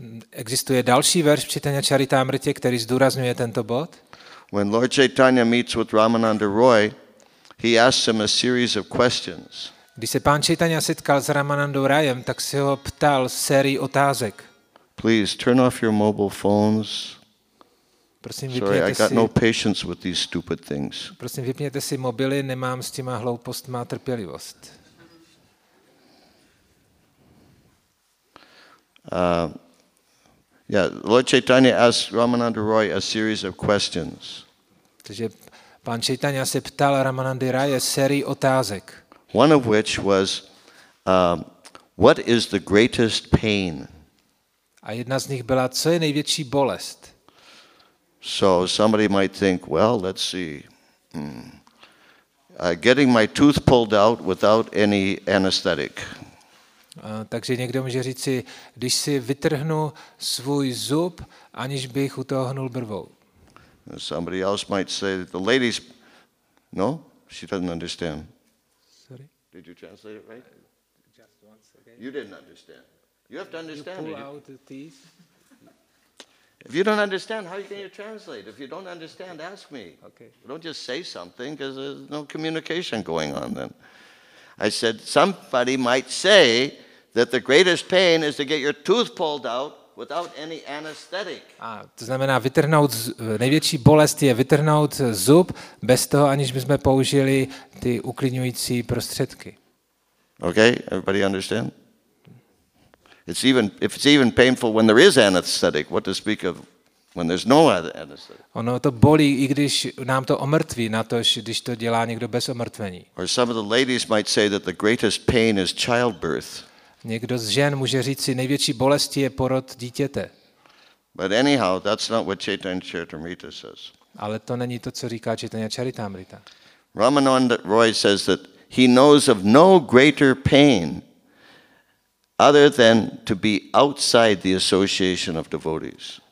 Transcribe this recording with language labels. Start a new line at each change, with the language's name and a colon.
Czech: Existuje další verš v Chaitanya Charitamrite, který zdůrazňuje tento bod.
English: When Lord Chaitanya meets with Ramananda Roy, he asks him a series of questions.
Czech: Když se pán Chaitanya setkal s Ramanandou Rayem, tak se ho ptal sérii otázek.
English: Please turn off your mobile phones.
Czech: Prosím,
English: sorry, I got no patience with these stupid things.
Czech: Prosím, vypněte si mobily, nemám s těma hloupostma trpělivost.
English: Lord Chaitanya asked Ramananda Roy a series of questions.
Czech: Takže pán Chaitanya se ptal Ramanandy Raye sérii otázek.
English: One of which was, what is the greatest pain?
Czech: A jedna z nich byla, co je největší bolest?
English: So somebody might think, well, let's see. Getting my tooth pulled out without any anesthetic.
Czech: Takže někdo může říci, když si vytrhnu svůj zub, aniž bych u toho hnul brvou.
English: Somebody else might say that the ladies, no, she doesn't understand. Sorry. Did you translate it right? Just once again. You didn't understand. You have to understand. You pull out the teeth. If you don't understand, how can you translate? If you don't understand, ask me. Okay. Don't just say something because there's no communication going on then. I said, somebody might say that the greatest pain is to get your tooth pulled out without any anesthetic.
Czech: A to znamená vytrhnout, největší bolest je vytrhnout zub bez toho, aniž bychom použili ty uklidňující prostředky.
English: Okay, everybody understand? It's even if it's even painful when there is anesthetic, what to speak of when there's no anesthetic.
Czech: Ono to bolí, i když nám to omrtví, natož když to dělá někdo bez omrtvení.
English: Or some of the ladies might say that the greatest pain is childbirth.
Czech: Někdo z žen může říct si, největší bolestí je porod dítěte.
English: But anyhow, that's not what Chaitanya Charitamrita says.
Czech: Ale to není to, co říká Chaitanya Charitamrita.
English: Ramananda Roy says that he knows of no greater pain other than to be outside the association of devotees.